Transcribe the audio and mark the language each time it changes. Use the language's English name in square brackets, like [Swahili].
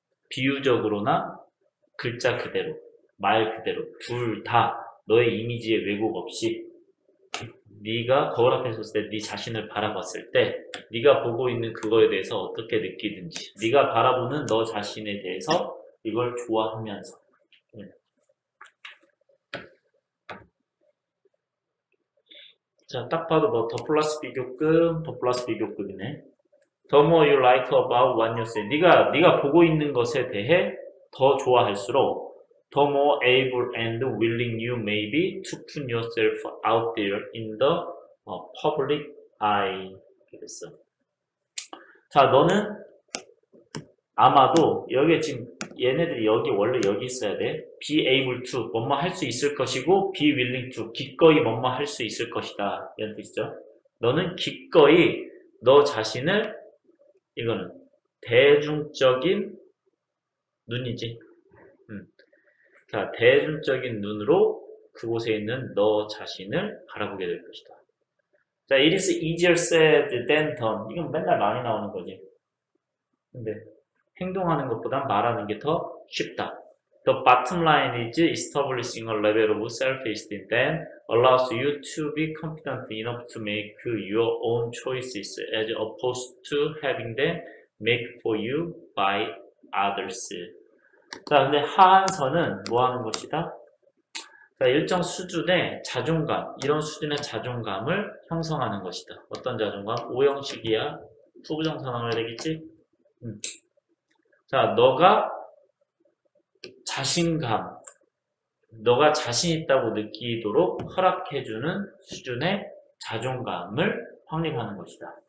[Korean] 비유적으로나 글자 그대로. 말 그대로 둘다 너의 이미지에 왜곡 없이 네가 거울 앞에 섰을 때네 자신을 바라봤을 때 네가 보고 있는 그거에 대해서 어떻게 느끼든지 네가 바라보는 너 자신에 대해서 이걸 좋아하면서 자, 딱 봐도 뭐더 플러스 비교급 더 플러스 비교급이네. [English] The more you like about what you see [Korean] 네가 보고 있는 것에 대해 더 좋아할수록 [English] The more able and willing you may be to put yourself out there in the public eye. [Korean] 그랬어. 자, 너는 아마도 여기에 지금 얘네들이 여기 원래 여기 있어야 돼. [English] Be able to [Korean] 뭐뭐 할수 있을 것이고, [English] be willing to [Korean] 기꺼이 뭐뭐 할수 있을 것이다. 이런 뜻이죠. 너는 기꺼이 너 자신을, 이거는 대중적인 눈이지. 자, 대중적인 눈으로 그곳에 있는 너 자신을 바라보게 될 것이다. [English] 자, it is easier said than done. [Korean] 이건 맨날 많이 나오는 거지. 근데 행동하는 것보다 말하는 게더 쉽다. [English] The bottom line is establishing a level of self-esteem that allows you to be confident enough to make your own choices as opposed to having them made for you by others. [Korean] 자, 근데 하한선은 뭐 하는 것이다? 자, 일정 수준의 자존감, 이런 수준의 자존감을 형성하는 것이다. 어떤 자존감? 오형식이야. 후부정사나 말이겠지? 자, 너가 자신 있다고 느끼도록 허락해주는 수준의 자존감을 확립하는 것이다.